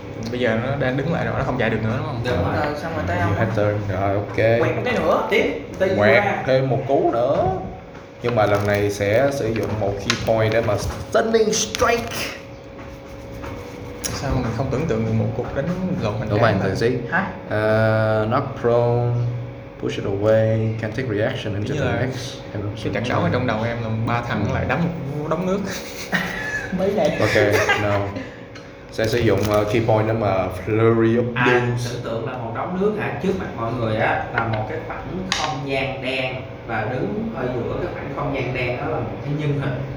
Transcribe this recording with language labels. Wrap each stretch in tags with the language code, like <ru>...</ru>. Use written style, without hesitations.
<vi>Bây giờ nó đang đứng lại rồi, nó không chạy được nữa đúng không? Đúng rồi, xong rồi tới ông. Hết rồi, ok. Quẹt một cái nữa, tiếp. Quẹt thêm một cú nữa. Nhưng mà lần này sẽ sử dụng một key point để mà Stunning Strike. Sao mình không tưởng tượng được một cuộc đánh lộn hành động? Đúng rồi, thử xí. Hả?</vi> <en>Knock prone, push it away, can't take reaction into the next.</en> <vi>Cái trận đấu ở trong đầu em là ba thằng lại đấm một đống nước. Mấy này.</vi> <en>Ok, no.</en> <vi>Sẽ sử dụng key point đó mà Flurry of Blooms. À, tưởng tượng là một đống nước hả? Trước mặt mọi người á là một cái khoảng không gian đen và đứng ở giữa cái khoảng không gian đen đó là một cái nhân hình.</vi>